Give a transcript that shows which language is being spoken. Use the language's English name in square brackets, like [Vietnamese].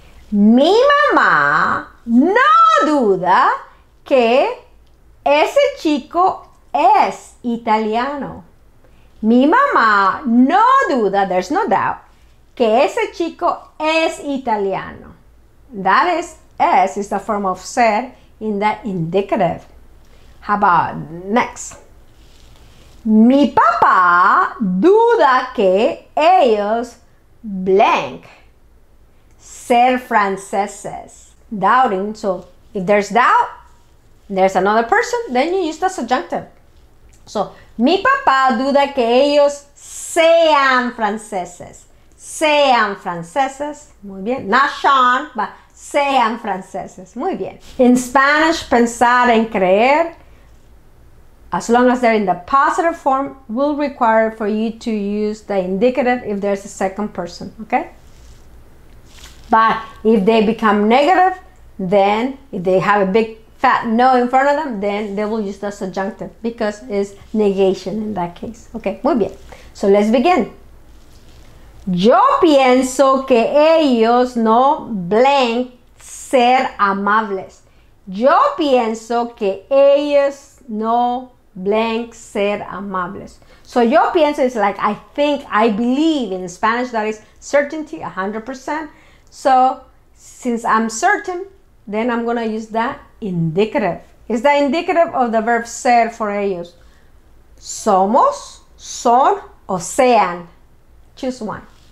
[Spanish] Mi mamá no duda que ese chico es italiano. Mi mamá no duda, [English] there's no doubt, [Spanish] que ese chico es italiano. [English] That is, es is the form of ser in the indicative. How about next? [Spanish] Mi papá duda que ellos blank ser franceses. [English] Doubting, so if there's doubt, there's another person, then you use the subjunctive. [Spanish] So, mi papá duda que ellos sean franceses. Sean franceses. Muy bien. [English] Not Sean, but [Spanish] sean franceses. Muy bien. [English] In Spanish, pensar en creer, as long as they're in the positive form, will require for you to use the indicative if there's a second person. Okay? But if they become negative, then if they have a big fat no in front of them, then they will use the subjunctive because it's negation in that case. Okay, [Spanish] muy bien. [English] So let's begin. [Spanish] Yo pienso que ellos no blank ser amables. Yo pienso que ellos no blank ser amables. [English] So yo pienso is like I think, I believe. In Spanish, that is certainty, 100%. So since I'm certain, then I'm going to use that. Indicative. It's the indicative of the verb ser for ellos. [Spanish] Somos, son, o sean. [English] Choose one.